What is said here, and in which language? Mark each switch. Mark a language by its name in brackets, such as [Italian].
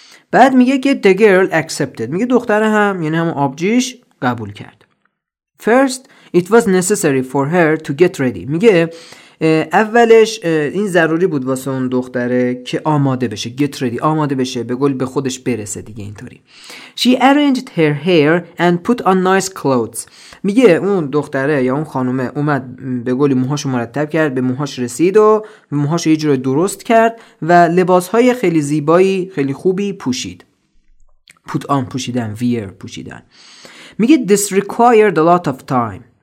[Persian] بعد میگه که [English] the girl accepted. [Persian] میگه دختر هم یعنی هم آبجیش قبول کرد. [English] First it was necessary for her to get ready. [Persian] میگه اولش این ضروری بود واسه اون دختره که آماده بشه. [English] Get ready. [Persian] آماده بشه. به قول به خودش برسه دیگه اینطوری. [English] She arranged her hair and put on nice clothes. [Persian] میگه اون دختره یا اون خانومه اومد به قولی موهاشو مرتب کرد. به موهاش رسید و موهاشو یه جوری درست کرد و لباسهای خیلی زیبایی خیلی خوبی پوشید. [English] Put on [Persian] پوشیدن. [English] Wear پوشیدن. [Persian] میگه [English] this required a lot of time.